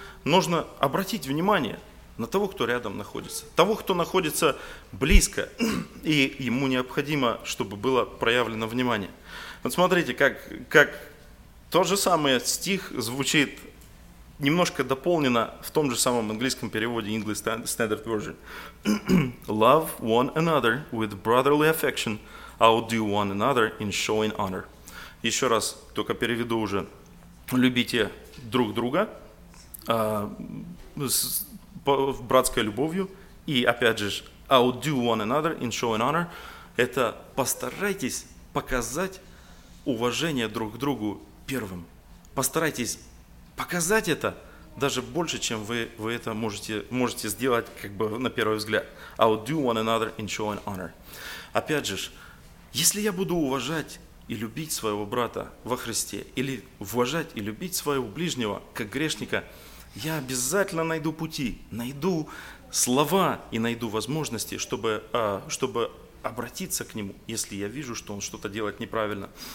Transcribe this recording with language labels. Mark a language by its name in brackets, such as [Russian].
[Russian] Нужно обратить внимание на того, кто рядом находится, того, кто находится близко, и ему необходимо, чтобы было проявлено внимание. Вот смотрите, как тот же самый стих звучит, немножко дополнено в том же самом английском переводе, English Standard Version. [English] Love one another with brotherly affection, outdo one another in showing honor. [Russian] Еще раз, только переведу уже. Любите друг друга с братской любовью и, опять же, [English] outdo one another in showing honor. [Russian] Это постарайтесь показать уважение друг к другу первым. Постарайтесь показать это даже больше, чем вы это можете сделать как бы на первый взгляд. [English] Outdo one another in showing honor. [Russian] Опять же, если я буду уважать и любить своего брата во Христе, или уважать и любить своего ближнего как грешника, я обязательно найду пути, найду слова и найду возможности, чтобы обратиться к нему, если я вижу, что он что-то делает неправильно.